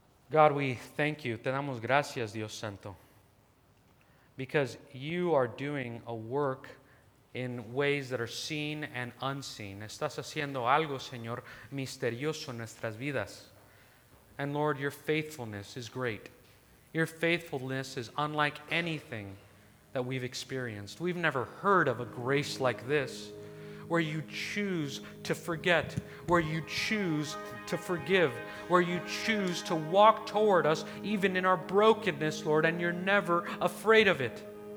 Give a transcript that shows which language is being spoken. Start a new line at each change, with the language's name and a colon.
English: God, we thank you.
Spanish: Te damos gracias, Dios Santo.
English: Because you are doing a work in ways that are seen and unseen.
Spanish: Estás haciendo algo, Señor, misterioso en nuestras vidas.
English: And Lord, your faithfulness is great. Your faithfulness is unlike anything that we've experienced. We've never heard of a grace like this, where you choose to forget, where you choose to forgive, where you choose to walk toward us even in our brokenness, Lord, and you're never afraid of it.